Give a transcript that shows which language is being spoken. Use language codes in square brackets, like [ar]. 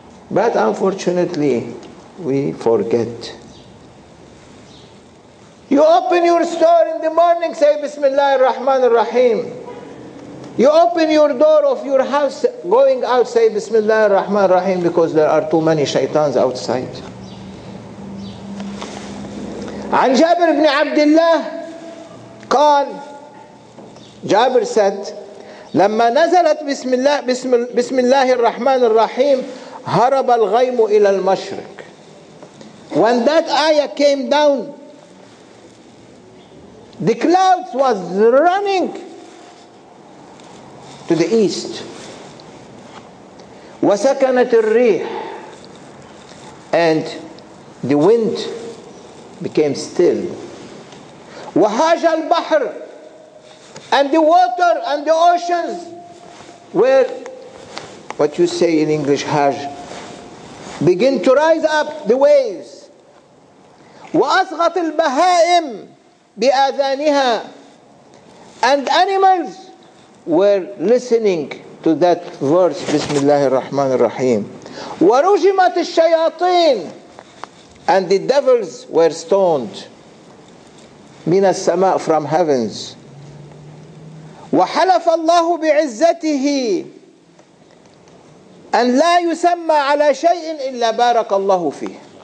[en] But unfortunately, we forget. You open your store in the morning, say Bismillah ar-Rahman ar-Rahim. You open your door of your house, going out, say Bismillah ar-Rahman ar-Rahim, because there are too many shaitans outside. [ar] An Jabir ibn Abdullah قال, [en] Jabir said, [ar] لما نزلت بسم الله الرحمن الرحيم هرب الغيم إلى المشرق. [en] When that ayah came down, the clouds was running to the east. [ar] وسكنت الريح, [en] and the wind became still. [ar] وهاج البحر, [en] and the water and the oceans were, what you say in English, [ar] هاج, [en] begin to rise up the waves. [ar] وأصغت البهائم بأذانها, [en] and animals were listening to that verse, Bismillah ar-Rahman ar-Rahim. [ar] ورجمت الشياطين, [en] and the devils were stoned. [ar] من السماء, [en] from heavens. [ar] وحلف الله بعزته أن لا يسمى على شيء إلا بارك الله فيه.